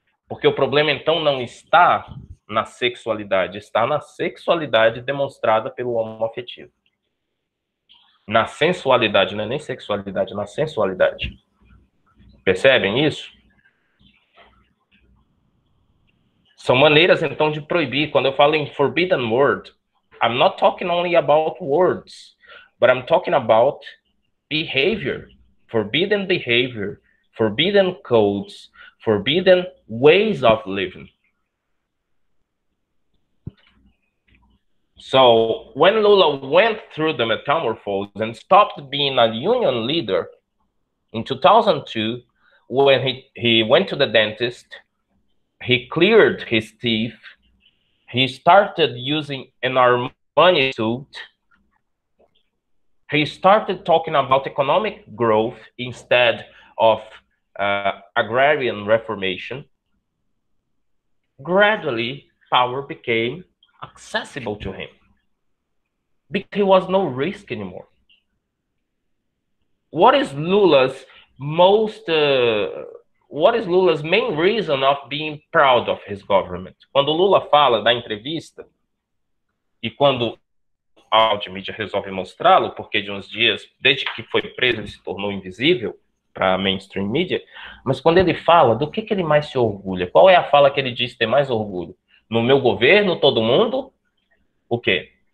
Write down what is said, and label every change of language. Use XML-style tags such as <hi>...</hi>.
<pt>Porque o problema, então, não está na sexualidade, está na sexualidade demonstrada pelo homoafetivo. Na sensualidade, não é nem sexualidade, na sensualidade. Percebem isso? São maneiras, então, de proibir. Quando eu falo em</pt> <en>forbidden word, I'm not talking only about words, but I'm talking about behavior. Forbidden behavior, forbidden codes, forbidden ways of living. So, when Lula went through the metamorphosis and stopped being a union leader in 2002, when he went to the dentist, he cleared his teeth, he started using an Armani suit, he started talking about economic growth instead of agrarian reformation, gradually power became accessible to him. Because he was no risk anymore. What is Lula's most, what is Lula's main reason of being proud of his government?</en> <pt>Quando Lula fala da entrevista, e quando a mídia resolve mostrá-lo, porque de uns dias, desde que foi preso, ele se tornou invisível para a mainstream mídia, mas quando ele fala, do que ele mais se orgulha? Qual é a fala que ele diz ter mais orgulho? No meu governo, todo mundo? O quê?</pt>